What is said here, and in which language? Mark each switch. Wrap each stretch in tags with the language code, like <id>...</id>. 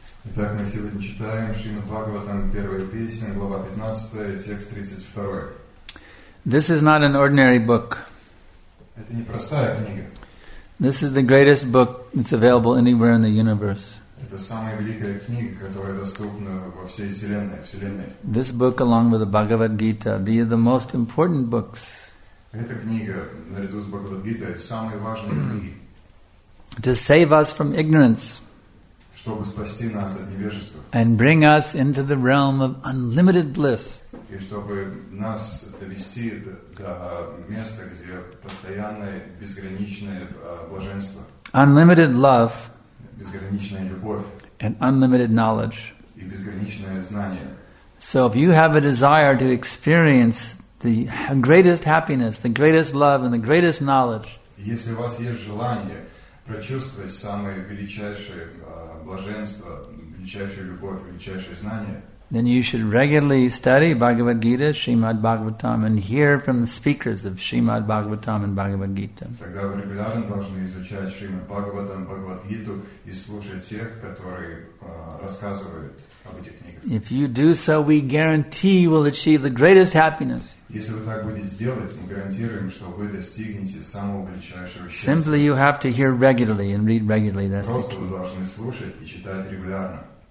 <ru>Итак, мы сегодня читаем Шримад Бхагаватам, первая песня, глава 15, текст 32.</ru> <en>This is not an ordinary book.</en> <ru>Это не простая книга.</ru> <en>This is the greatest book that's available anywhere in the universe.</en> <ru>Это самая великая книга, которая доступна во всей вселенной,</ru> <en>This book, along with the Bhagavad Gita, these are the most important books.</en> <ru>Эта книга, наряду с Бхагавад Гитой, это самые важные книги.</ru> <en>To save us from ignorance.</en> <ru>Чтобы спасти нас от невежества.</ru> <en>And bring us into the realm of unlimited bliss.</en> <ru>И чтобы нас довести до места, где постоянное безграничное блаженство.</ru> <en>Unlimited love.</en> <ru>Безграничная любовь.</ru> <en>And unlimited knowledge.</en> <ru>И безграничное знание.</ru> <en>So if you have a desire to experience the greatest happiness, the greatest love, and the greatest knowledge.</en> <ru>Если у вас есть желание прочувствовать самое величайшее блаженство, величайшую любовь, величайшее знание.</ru> <en>Then you should regularly study Bhagavad Gita, Srimad Bhagavatam, and hear from the speakers of Srimad Bhagavatam and Bhagavad Gita.</en> <ru>Тогда вы регулярно должны изучать Шримад Бхагаватам, Бхагавад Гиту и слушать тех, которые рассказывают об этих книгах.</ru> <en>If you do so, we guarantee you will achieve the greatest happiness.</en> <ru>Если вы так будете делать, мы гарантируем, что вы достигнете самого величайшего счастья.</ru> <en>Simply you have to hear regularly and read regularly. That's</en> <ru>Просто вы должны слушать и читать регулярно.</ru>